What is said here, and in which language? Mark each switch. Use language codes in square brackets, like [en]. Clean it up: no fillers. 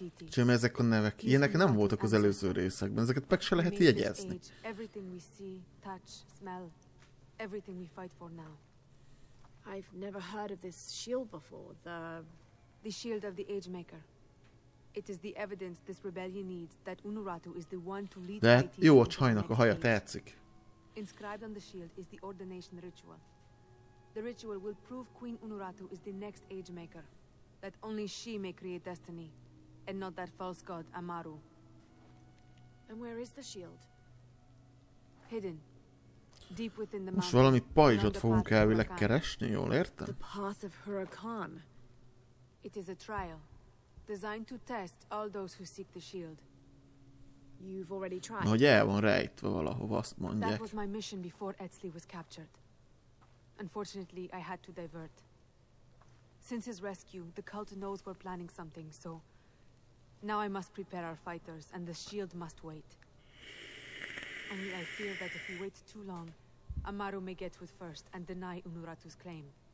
[hu] Csak mert ezek a nevek, ilyenek nem voltak az előző részekben, ezeket meg se lehet jegyezni. [en] Everything we see, touch, smell, everything we fight for now. I've never heard of this shield before, the shield of the age maker. It is the evidence this rebellion needs that Unuratu is the one to lead. [hu] De jó, a csajnak a haja tetszik. [en] Inscribed on the shield is the ordination ritual. The ritual will prove Queen Unuratu is the next age maker. That only she may create destiny, and not that false god Amaru. And where is the shield? Hidden. Deep within the mountain. [hu] Most valami pajzsot fogunk elvileg keresni, jól értem? [en] The path of Hurakan. It is a trial. Designed to test all those who seek the shield. You've already tried. [hu] Na, hogy el van rejtve valahova, azt mondják. [en] That was my mission before Etsli was captured. Unfortunately, I had to divert. Since his rescue, the cult knows we're planning something, so... Now I must prepare our fighters, and the shield must wait. Only I fear that if we wait too long, Amaru may get to it first and deny Unuratu's claim.